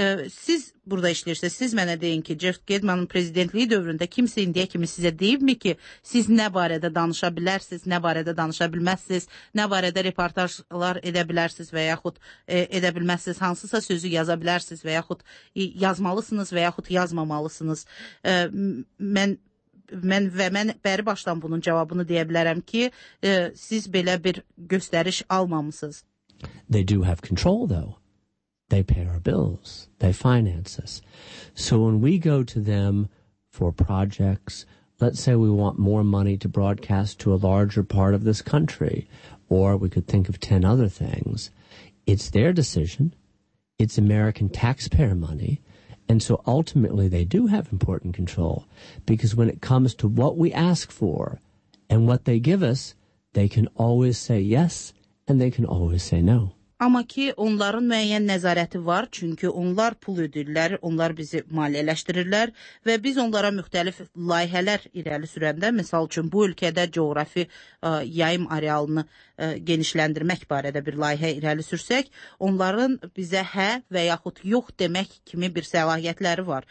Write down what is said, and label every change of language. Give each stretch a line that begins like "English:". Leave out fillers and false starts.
Azerbaijani: Siz burada işləyirsiniz, siz mənə deyin ki, Jeff Gedman'ın prezidentliyi dövründə kimsə indiyə kimi sizə deyibmi ki, siz nə barədə danışa bilərsiniz, nə barədə danışa bilməzsiniz, nə barədə reportajlar edə bilərsiniz və yaxud edə bilməzsiniz, hansısa sözü yaza bilərsiniz və yaxud yazmalısınız və yaxud yazmamalısınız. Mən bəri başdan bunun cavabını deyə bilərəm ki, siz belə bir göstəriş almamısınız.
English: They do have control, though. They pay our bills. They finance us. So when we go to them for projects, let's say we want more money to broadcast to a larger part of this country, or we could think of 10 other things, it's their decision. It's American taxpayer money. And so ultimately, they do have important control, because when it comes to what we ask for and what they give us, they can always say yes and they can always say no.
Azerbaijani: Amma ki, onların müəyyən nəzarəti var, çünki onlar pul ödürlər, onlar bizi maliyyələşdirirlər və biz onlara müxtəlif layihələr irəli sürəndə, misal üçün, bu ölkədə coğrafi yayım arealını genişləndirmək barədə bir layihə irəli sürsək, onların bizə hə və yaxud yox demək kimi bir səlahiyyətləri var.